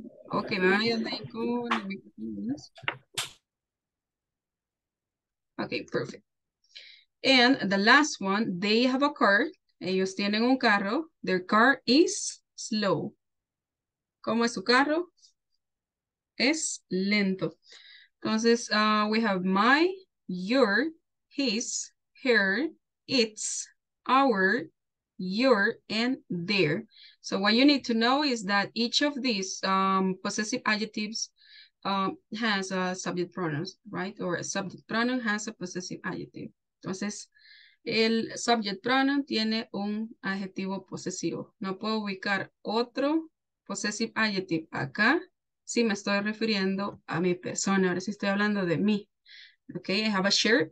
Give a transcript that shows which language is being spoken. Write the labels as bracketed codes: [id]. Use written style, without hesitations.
[es] Okay, me voy a ir con el micrófono. [en] Okay, perfect. And the last one, they have a car. [es] Ellos tienen un carro. [en] Their car is slow. [es] ¿Cómo es su carro? Es lento. [en] Entonces, we have my, your, his, her, its, our, your, and their. So what you need to know is that each of these possessive adjectives has a subject pronoun, right? Or a subject pronoun has a possessive adjective. [es] Entonces, el subject pronoun tiene un adjetivo posesivo. No puedo ubicar otro possessive adjective acá. Sí, me estoy refiriendo a mi persona. Ahora sí estoy hablando de mí. [en] Okay, I have a shirt.